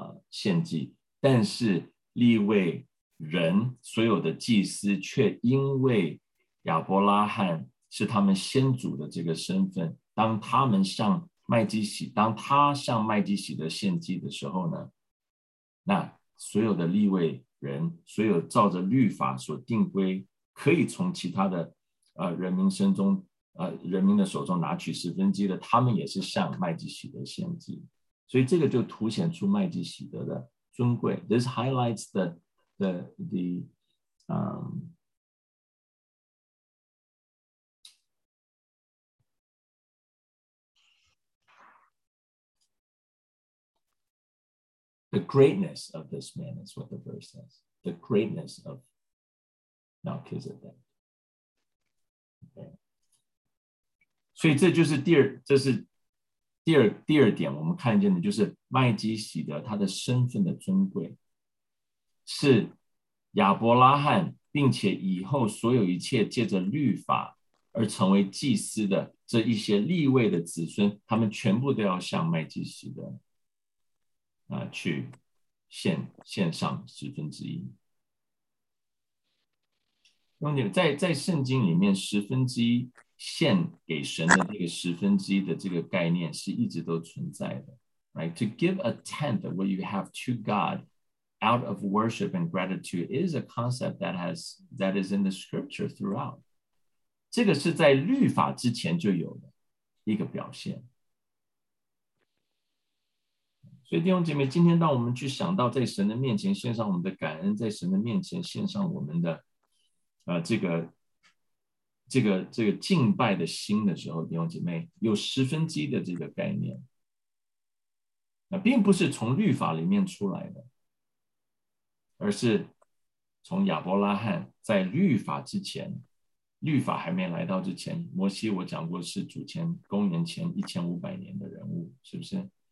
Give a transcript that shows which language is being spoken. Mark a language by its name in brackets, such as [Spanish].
[Chinese] 献祭，但是利未人所有的祭司却因为亚伯拉罕是他们先祖的这个身份，当他们向麦基洗当他向麦基洗的献祭的时候呢，那所有的利未人所有照着律法所定规可以从其他的人民身中人民的手中拿取十分之一的，他们也是向麦基洗的献祭。所以这个就凸显出麦基洗德的尊贵。 [English] This highlights the greatness of this man is what the verse says. The greatness of Melchizedek. [Chinese] 所以这就是第二点我们看见的，就是麦基洗德他的身份的尊贵是亚伯拉罕并且以后所有一切借着律法而成为祭司的这一些立位的子孙，他们全部都要向麦基洗德、去 献上十分之一。兄弟们， 在圣经里面十分之一献给神的这个十分之一的这个概念是一直都存在的， right? [English] To give a tenth of what you have to God out of worship and gratitude is a concept that is in the scripture throughout. [Chinese] 这个是在律法之前就有的一个表现。所以弟兄姐妹，今天当我们去想到在神的面前献上我们的感恩，在神的面前献上我们的这个敬拜的心的时候，弟兄姐妹，有十分之一的这个概念，那并不是从律法里面出来的，而是从亚伯拉罕在律法之前，律法还没来到之前，摩西我讲过是主前公元前1500年的人物，是不是？